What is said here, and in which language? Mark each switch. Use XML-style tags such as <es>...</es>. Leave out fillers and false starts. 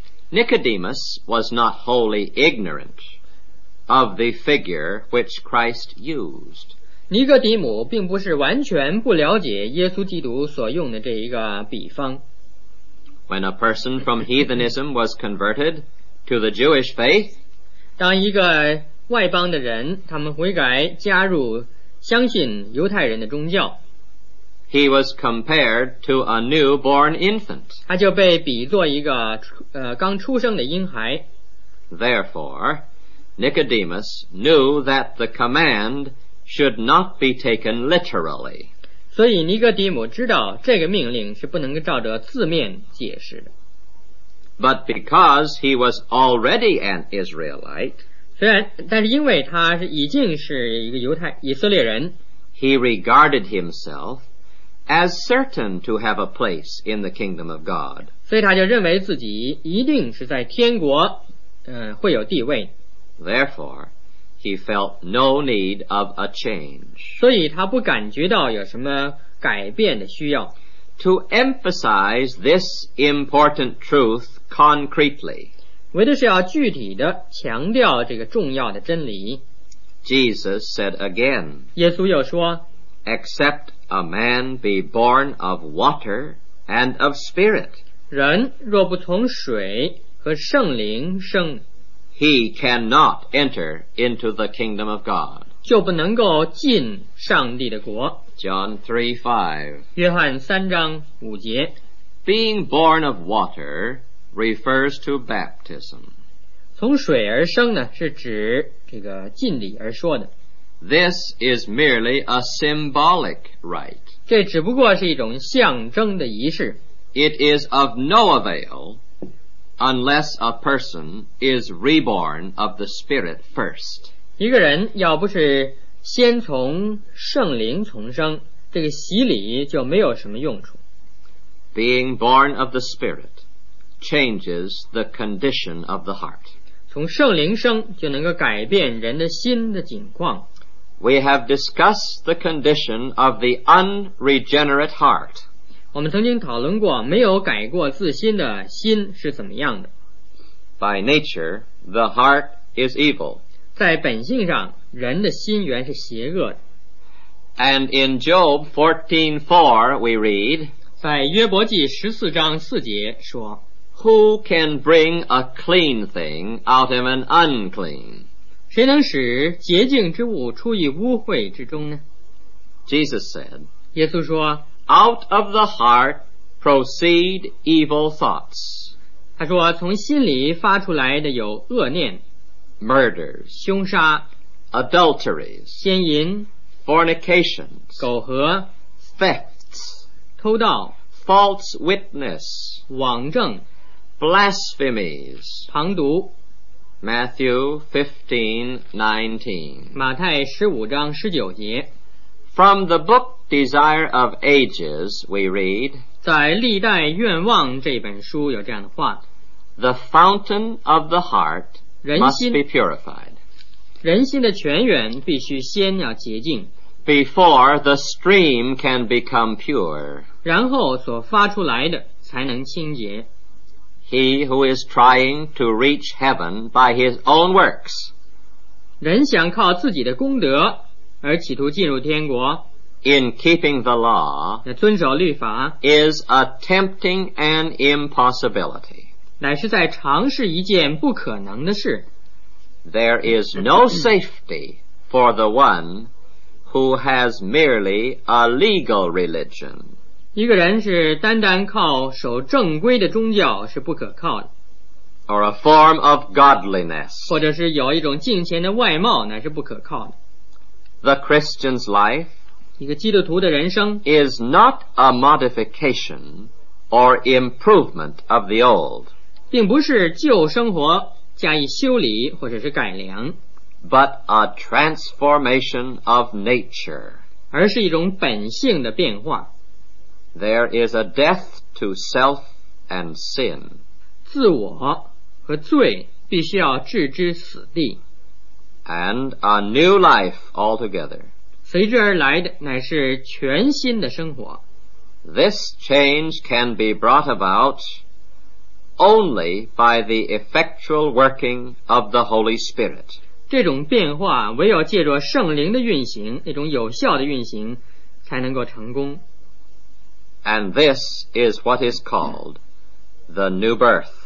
<en>Nicodemus was not wholly ignorant of the figure which Christ used.</en> <zh>尼哥底母并不是完全不了解耶稣基督所用的这一个比方。</zh> <en>When a person from heathenism was converted, to the Jewish faith,</en> <zh>当一个外邦的人他们悔改加入相信犹太人的宗教，</zh> <en>He was compared to a newborn infant,</en> <zh>他就被比作一个刚出生的婴孩。</zh> <en>Therefore, Nicodemus knew that the command should not be taken literally.</en> <zh>所以尼哥底母知道这个命令是不能照着字面解释的。</zh> <en>But because he was already an Israelite,</en> <zh>虽然，但是因为他已经是一个犹太，以色列人，</zh> <en>he regarded himself as certain to have a place in the kingdom of God.</en> <zh>所以他就认为自己一定是在天国，会有地位。</zh> <en>Therefore, he felt no need of a change.</en> <zh>所以他不感觉到有什么改变的需要。</zh> <en>To emphasize this important truth concretely,</en> <zh>为的是要具体的强调这个重要的真理。</zh> <en>Jesus said again,</en> <zh>耶稣又说,</zh> <en>Except a man be born of water and of spirit,</en> <zh>人若不从水和圣灵生,</zh> <en>he cannot enter into the kingdom of God,</en> <zh>就不能够进上帝的国。</zh> <en>John 3:5,</en> <zh>约翰三章五节。</zh> <en>Being born of water refers to baptism.</en> <zh>从水而生呢，是指这个浸礼而说的。</zh> <en>This is merely a symbolic rite.</en> <zh>这只不过是一种象征的仪式。</zh> <en>It is of no avail unless a person is reborn of the Spirit first.</en> <zh>一个人要不是先从圣灵重生，这个洗礼就没有什么用处。</zh> <en>Being born of the Spirit changes the condition of the heart.</en> <zh>从圣灵生就能够改变人的心的境况。</zh> <en>We have discussed the condition of the unregenerate heart.</en> <zh>我们曾经讨论过没有改过自新的心是怎么样的。</zh> <en>By nature, the heart is evil.</en> <zh>在本性上人的心原是邪恶的。</zh> <en>And in Job 14:4 we read,</en> <zh>在约伯记十四章四节说,</zh> <en>Who can bring a clean thing out of an unclean?</en> <zh>谁能使洁净之物出于污秽之中呢?</zh> <en>Jesus said,</en> <zh>耶稣说,</zh> <en>Out of the heart proceed evil thoughts.</en> <zh>他说, 从心里发出来的有恶念,</zh> <en>Murders,</en> <zh>凶杀,</zh> <en>Adulteries,</en> <zh>奸淫,</zh> <en>Fornications,</en> <zh>苟合,</zh> <en>Thefts,</en> <zh>偷盗,</zh> <en>False witness,</en> <zh>妄证,</zh> <en>Blasphemies,</en> <zh>旁读,</zh> <en>Matthew 15:19,</en> <zh>马太十五章十九节。</zh> <en>From the book Desire of Ages we read,</en> <zh>在历代愿望这本书有这样的话,</zh> <en>The fountain of the heart must be purified,</en> <zh>人心的泉源必须先要洁净，</zh> <en>Before the stream can become pure,</en> <zh>然后所发出来的才能清洁。</zh> <en>He who is trying to reach heaven by his own works,</en> <zh>人想靠自己的功德而企图进入天国，</zh> <en>In keeping the law,</en> <zh>遵守律法，</zh> <en>is attempting an impossibility,</en> <zh>乃是在尝试一件不可能的事。</zh> <en>There is no safety for the one who has merely a legal religion.</en> <zh>一个人是单单靠守正规的宗教是不可靠的。</zh> <en>Or a form of godliness.</en> <zh>或者是有一种敬虔的外貌那是不可靠的。</zh> <en>The Christian's life,</en> <zh>一个基督徒的人生,</zh> <en>is not a modification or improvement of the old.</en> <zh>并不是旧生活加以修理或者是改良，</zh> <en>but a transformation of nature，</en> <zh>而是一种本性的变化。</zh> <en>There is a death to self and sin，</en> <zh>自我和罪必须要置之死地。</zh> <en>And a new life altogether，</en> <zh>随之而来的乃是全新的生活。</zh> <en>This change can be brought aboutonly by the effectual working of the Holy Spirit，</en> <zh>这种变化唯有借着圣灵的运行，那种有效的运行才能够成功。</zh> <en>And this is what is called the new birth，</en>